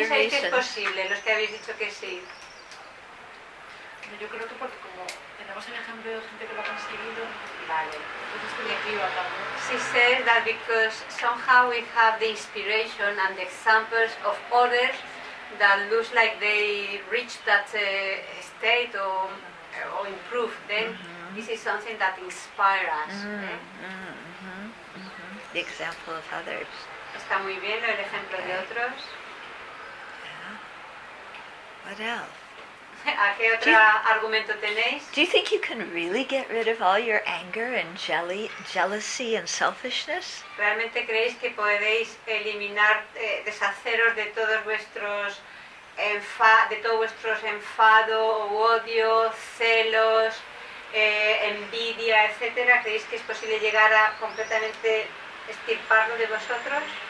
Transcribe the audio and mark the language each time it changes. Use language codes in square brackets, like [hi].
[es] pensáis que es posible, los que habéis dicho que sí? Yo creo que porque como tenemos el ejemplo de gente que lo ha conseguido, vale. Entonces que me equivoco. [en] She said that because somehow we have the inspiration and the examples of others that look like they reach that state or improve them. Mm-hmm. This is something that inspires us. Mm-hmm, mm-hmm. The example of others. [es] Está muy bien el ejemplo de otros. [en] Yeah. What else? [es] ¿A qué otro argumento tenéis? [en] Do you think you can really get rid of all your anger and jealousy and selfishness? [es] ¿Realmente creéis que podéis eliminar, deshaceros de todos vuestros enfado o odio, celos? Envidia, etcétera. ¿Creéis que es posible llegar a completamente extirparlo de vosotros?